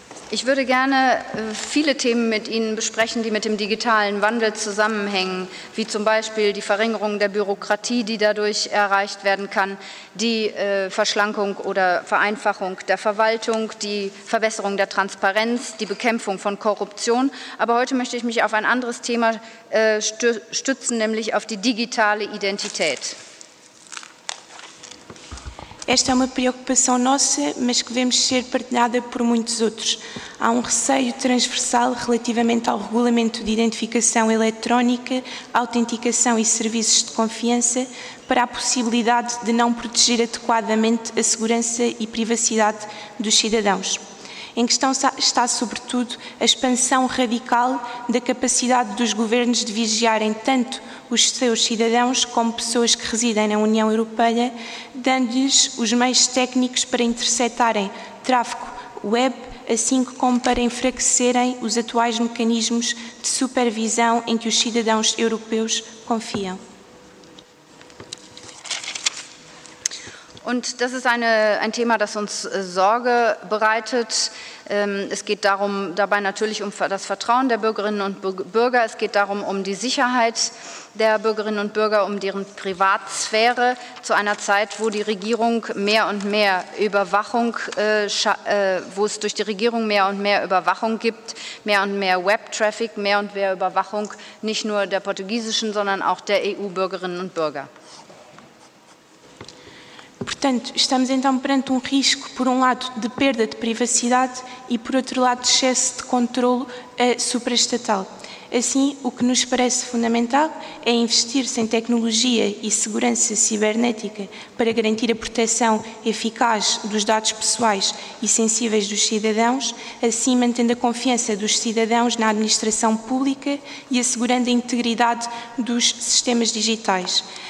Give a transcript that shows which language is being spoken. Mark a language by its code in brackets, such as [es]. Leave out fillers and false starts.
[de] Ich würde gerne viele Themen mit Ihnen besprechen, die mit dem digitalen Wandel zusammenhängen, wie zum Beispiel die Verringerung der Bürokratie, die dadurch erreicht werden kann, die Verschlankung oder Vereinfachung der Verwaltung, die Verbesserung der Transparenz, die Bekämpfung von Korruption. Aber heute möchte ich mich auf ein anderes Thema stützen, nämlich auf die digitale Identität. [pt] Esta é uma preocupação nossa, mas que vemos ser partilhada por muitos outros. Há um receio transversal relativamente ao regulamento de identificação eletrónica, autenticação e serviços de confiança para a possibilidade de não proteger adequadamente a segurança e privacidade dos cidadãos. Em questão está, sobretudo, a expansão radical da capacidade dos governos de vigiarem tanto os seus cidadãos como pessoas que residem na União Europeia, dando-lhes os meios técnicos para interceptarem tráfego web, assim como para enfraquecerem os atuais mecanismos de supervisão em que os cidadãos europeus confiam. [de] Und das ist ein Thema, das uns Sorge bereitet. Es geht darum, dabei natürlich um das Vertrauen der Bürgerinnen und Bürger. Es geht darum, um die Sicherheit der Bürgerinnen und Bürger, um deren Privatsphäre zu einer Zeit, wo die Regierung mehr und mehr Überwachung, wo es durch die Regierung mehr und mehr Überwachung gibt, mehr und mehr Web-Traffic, mehr und mehr Überwachung, nicht nur der portugiesischen, sondern auch der EU-Bürgerinnen und Bürger. [pt] Portanto, estamos então perante um risco, por um lado, de perda de privacidade e, por outro lado, de excesso de controlo supraestatal. Assim, o que nos parece fundamental é investir-se em tecnologia e segurança cibernética para garantir a proteção eficaz dos dados pessoais e sensíveis dos cidadãos, assim mantendo a confiança dos cidadãos na administração pública e assegurando a integridade dos sistemas digitais.